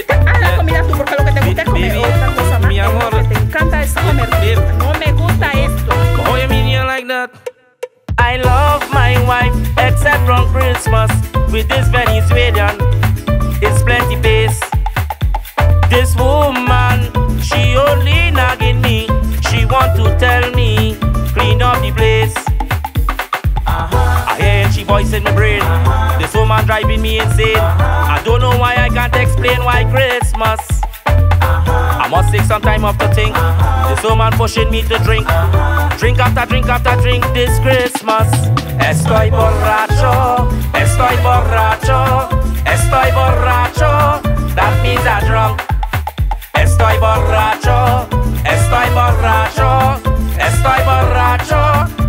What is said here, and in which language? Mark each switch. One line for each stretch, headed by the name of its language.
Spanish: Haz la comida tú, porque lo que te gusta es comer.
English: Baby,
Spanish: otra cosa más. Mi amor, lo que te encanta es comer.
English: Baby,
Spanish: no me gusta esto. Oye, mi niña,
English: like that. I love my wife, except from Christmas. With this Venezuelan, it's plenty base. This woman, she only nagging me. She want to tell me, clean up the place. Voice in my brain, this woman driving me insane. I don't know why, I can't explain why Christmas. I must take some time off to think. This woman pushing me to drink, drink after drink after drink this Christmas.
Spanish: Estoy borracho, estoy borracho, estoy borracho.
English: That means I'm drunk.
Spanish: Estoy borracho, estoy borracho, estoy borracho.